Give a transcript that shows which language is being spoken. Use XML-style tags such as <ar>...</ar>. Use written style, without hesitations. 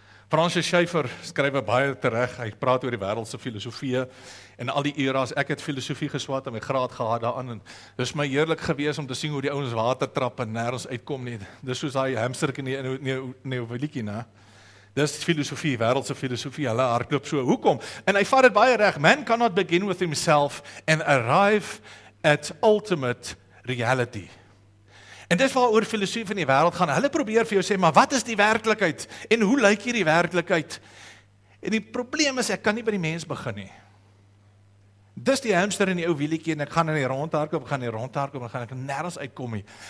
<af>Francis Schaeffer skryf baie terecht, hy praat oor die wêreldse filosofie en al die era's, ek het filosofie geswaat en my graad gehad daaraan, en dis my heerlik gewees om te sien hoe die ouens water trap en nêrens uitkom nie, dis soos hy hamsterk in die neoveliekie, Dis filosofie, wêreldse filosofie, hulle hardloop so. Hoekom? En hy vat dit baie reg.</af> <en>Man cannot begin with himself and arrive at ultimate reality.</en> <af>En dis waaroor filosofie van die wêreld gaan. Hulle probeer vir jou sê, maar wat is die werklikheid? En hoe lyk hierdie werklikheid? En die probleem is, ek kan nie by die mens begin nie. Dis die hamster in die ou wielietjie en ek gaan in die rondhardloop, gaan ek nêrens uitkom nie.</af>